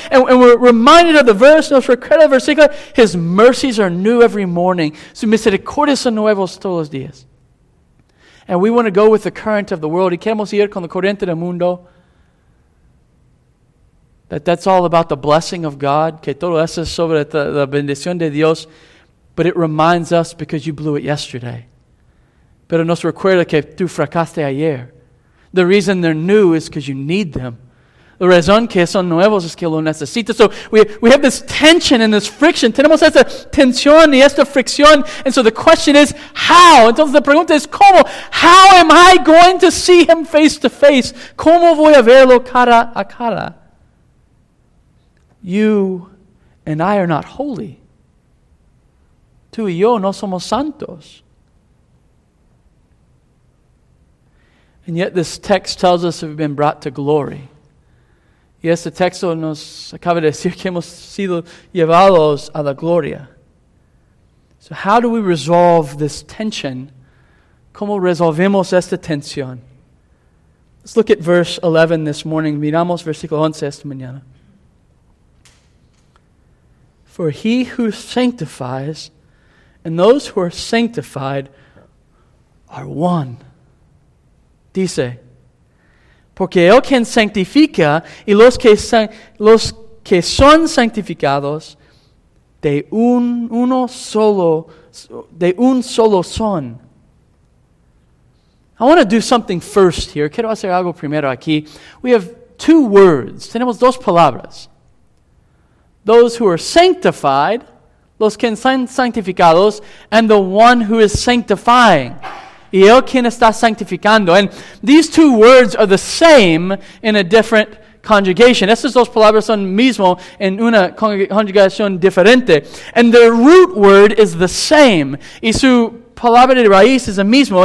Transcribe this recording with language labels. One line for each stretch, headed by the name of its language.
English: And we're reminded of the verse.
Spanish: Nos recuerda el versículo.
English: His mercies are new every morning.
Spanish: Su misericordia son nuevos todos los días.
English: And we want to go with the current of the world.
Spanish: Y queremos ir con la corriente del mundo.
English: That's all about the blessing of God.
Spanish: Que todo eso es sobre la bendición de Dios.
English: But it reminds us, because you blew it yesterday.
Spanish: Pero nos recuerda que tú fracaste ayer.
English: The reason they're new is because you need them.
Spanish: La razón que son nuevos es que lo necesitas.
English: So we have this tension and this friction.
Spanish: Tenemos esta tensión y esta fricción.
English: And so the question is, how?
Spanish: Entonces la pregunta es, ¿cómo?
English: How am I going to see him face to face?
Spanish: ¿Cómo voy a verlo cara a cara?
English: You and I are not holy.
Spanish: Tú y yo no somos santos.
English: And yet this text tells us we've been brought to glory.
Spanish: Y este texto nos acaba de decir que hemos sido llevados a la gloria.
English: So how do we resolve this tension?
Spanish: ¿Cómo resolvemos esta tensión?
English: Let's look at verse 11 this morning.
Spanish: Miramos versículo 11 esta mañana.
English: For he who sanctifies and those who are sanctified are one.
Spanish: Dice, porque el quien sanctifica y los que son sanctificados de un solo son.
English: I want to do something first here.
Spanish: Quiero hacer algo primero aquí.
English: We have two words.
Spanish: Tenemos dos palabras.
English: Those who are sanctified,
Spanish: los que están sanctificados,
English: and the one who is sanctifying.
Spanish: Y el quien está sanctificando.
English: And these two words are the same in a different conjugation.
Spanish: Estas dos palabras son mismo en una conjugación diferente.
English: And their root word is the same.
Spanish: Y su palabra de raíz es el mismo.